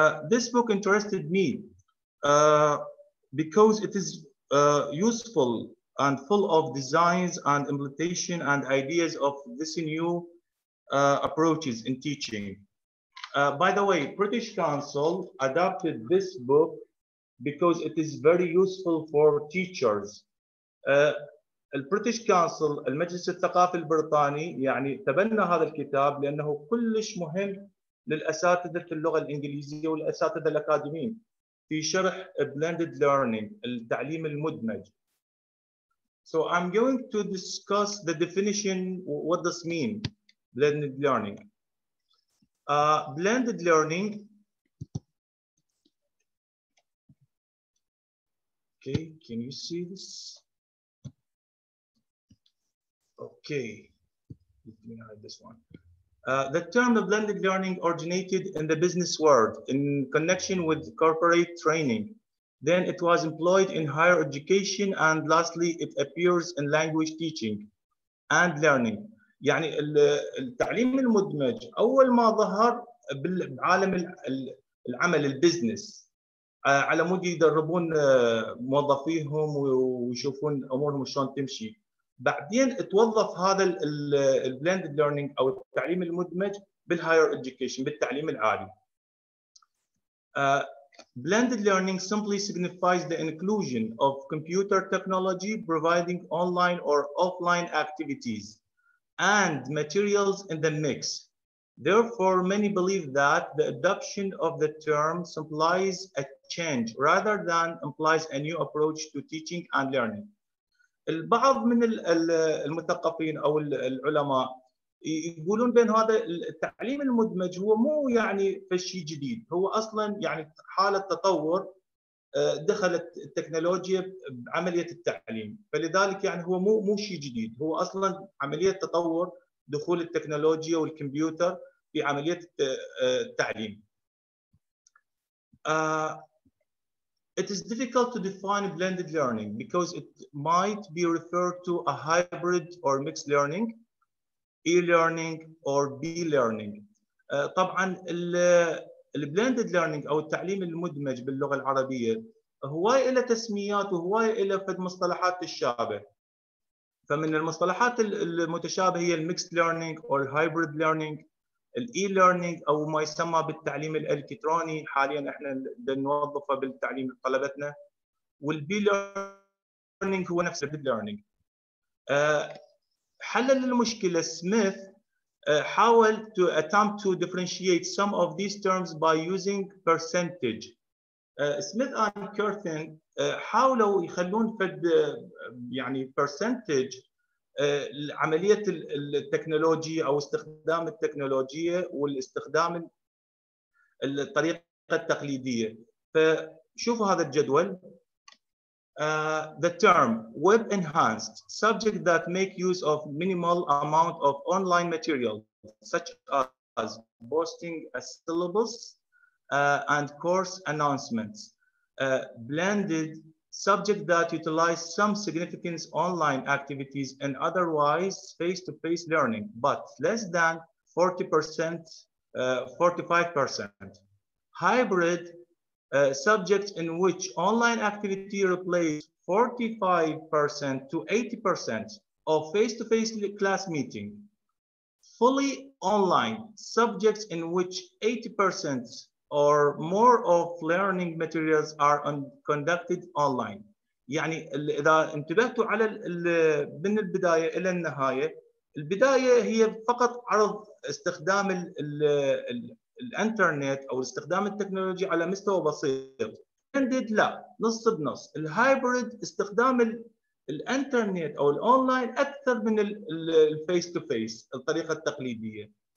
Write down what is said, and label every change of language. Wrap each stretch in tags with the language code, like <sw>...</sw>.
<en>This book interested me because it is useful and full of designs and implementation and ideas of this new approaches in teaching. By the way, British Council adopted this book because it is very useful for teachers.</en> <ar>British Council, المجلس الثقافي البريطاني يعني تبنى هذا الكتاب لأنه كلش مهم للأساتذة اللغة الإنجليزية والأساتذة الأكاديميين في شرح blended learning, التعليم المدمج.</ar> <en>So I'm going to discuss the definition, what does mean. Blended learning. Blended learning. Okay, can you see this? Okay, let me hide this one. The term of blended learning originated in the business world in connection with corporate training. Then it was employed in higher education, and lastly, it appears in language teaching and learning.</en> <ar>يعني التعليم المدمج أول ما ظهر بعالم العمل البزنس على مود يدربون موظفيهم ويشوفون أمورهم شلون تمشي. بعدين توظف هذا البلندد ليرنينج أو التعليم المدمج بالهاير إدوكيشن بالتعليم العالي.</ar> <en>Blended learning simply signifies the inclusion of computer technology providing online or offline activities and materials in the mix. Therefore, many believe that the adoption of the term implies a change rather than implies a new approach to teaching and learning.</en> <ar>البعض من المثقفين او العلماء يقولون بان هذا التعليم المدمج هو مو يعني فشي جديد، هو اصلا يعني حاله تطور دخلت التكنولوجيا بعملية التعليم، فلذلك يعني هو مو شيء جديد، هو اصلا عملية تطور دخول التكنولوجيا والكمبيوتر في عملية التعليم.</ar> <en>It is difficult to define blended learning because it might be referred to a hybrid or mixed learning, e-learning or b-learning.</en> <ar>طبعا البلندد ليرنينج او التعليم المدمج باللغه العربيه هواي له تسميات وهواي له فد مصطلحات تشابه. فمن المصطلحات المتشابه هي الميكست ليرنينج او الهايبريد ليرنينج، الاي ليرنينج او ما يسمى بالتعليم الالكتروني حاليا احنا بنوظفه بالتعليم طلبتنا، والبي ليرنينج هو نفس الليرنينج. حلل المشكلة سميث حاول</ar> <en>to attempt to differentiate some of these terms by using percentage.</en> <ar>سميث and كيرتن حاولوا يخلون فد يعني percentage عملية التكنولوجيا أو استخدام التكنولوجيا والاستخدام الطريقة التقليدية. فشوفوا هذا الجدول.</ar> <en>The term web enhanced, subject that make use of minimal amount of online material such as posting a syllabus and course announcements. Blended, subject that utilize some significant online activities and otherwise face-to-face learning, but less than 40%, 45%. Hybrid, subject in which online activity replaced 45% to 80% of face-to-face class meeting. Fully online, subjects in which 80% or more of learning materials are conducted online.</en> <ar>يعني إذا انتبهتوا على من البداية إلى النهاية، البداية هي فقط عرض استخدام الانترنت أو استخدام التكنولوجيا على مستوى بسيط. Blended لا، نص بنص. الهايبريد استخدام الانترنت أو الأونلاين أكثر من الفيس تو فيس الطريقة التقليدية.</ar>